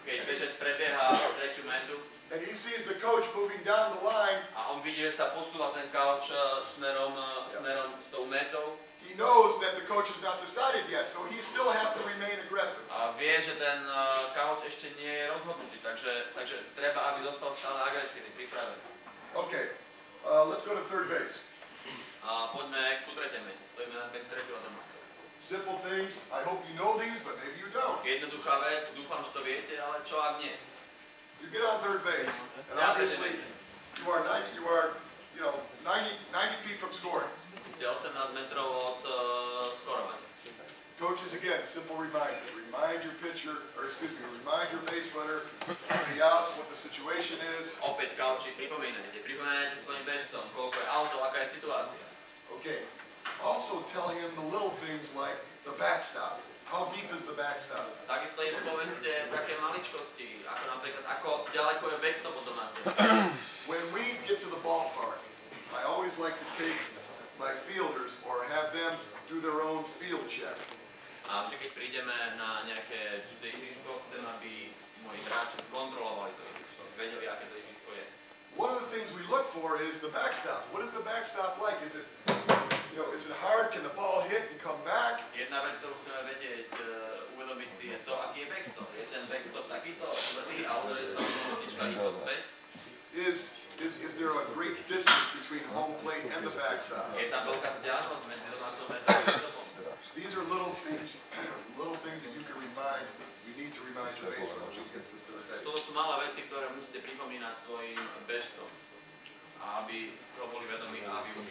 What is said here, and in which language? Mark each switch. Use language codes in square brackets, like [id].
[sk] keď bežec prebieha po tretiu metu, [en] and he sees the coach moving down the line, [sk] a on vidí, že sa posúva ten coach smerom s tou metou, [en] he knows that the coach has not decided yet, so he still has to remain aggressive. [sk] A vie, že ten coach ešte nie je rozhodnutý, takže treba, aby zostal stále agresívny, pripravený. [en] Okay, let's go to third base. [sk] A poďme ku tretej mete, stojíme na tej tretej mete. [en] Simple things, I hope you know these, but maybe you don't. [sk] Jednoduchá vec, dúfam, že to viete, ale čo ak nie? [en] You get on third base, and obviously, you are 90 feet from scoring. [sk] Ste 18 metrov od skorovania. [en] Coaches, again, simple reminder. Remind your base runner on the outs, what the situation is. [sk] Opäť, coachy, pripomínajte svojim bežcom, koľko je auto, aká je situácia. Okay. [en] Also telling him the little things like the backstop. How deep is the backstop? [sk] Takisto im poveste také maličkosti, ako napríklad, ako ďaleko je backstop od domácej. [en] When we get to the ballpark, I always like to take my fielders or have them do their own field check. [sk] A vždy, keď prídeme na nejaké cudzie ihrisko, chcem, aby si moji hráči skontrolovali to ihrisko, vedeli, aké to ihrisko je. [en] One of the things we look for is the backstop. What is the backstop like? Is it hard? Can the ball hit and come back? [sk] Jedna vec, ktorú chceme vedieť, uvedomiť si, je to, aký je backstop. Je ten backstop takýto, zlatý, ale je to hodnička iho späť. [en] Is there a great distance between home plate and the backstop? [sk] Je tam veľká vzdialenosť medzi domácou metou a backstopom. [en] These are little things that you can remind. You need to remind the base runner when he gets to third base. [sk] Toto sú malé veci, ktoré musíte pripomínať svojim bežcom, aby z toho boli vedomí a aby boli